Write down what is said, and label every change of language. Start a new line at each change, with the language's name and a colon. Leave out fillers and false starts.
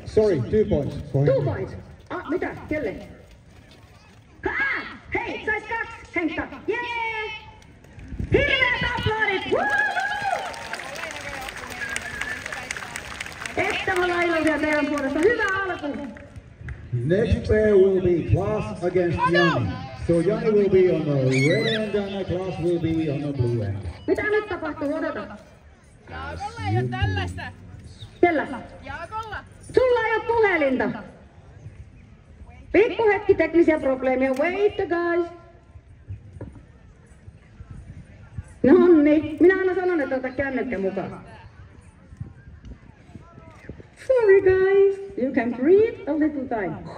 English: Sorry, 2 points. 2 points.
Finnish: Ah, mitä? Kelle? Ah, hei, sais 2 Henkka. Jee! Hirveät aplodit! Että ollaan iloisia teidän puolesta. Hyvä alku!
English: Next pair will be Klaas against Jani. So Jani will be on the red end and Klaas will be on the blue end.
Finnish: Mitä nyt tapahtuu? Odota. Jaakolla ei ole tällaista. Kellä? Jaakolla. Sulla ei ole puhelinta. Pikku hetki teknisiä probleemia.
English: Wait the guys.
Finnish: Nonni. Minä aina sanon, että ota kännykkä mukaan.
English: Sorry guys. You can breathe a little time.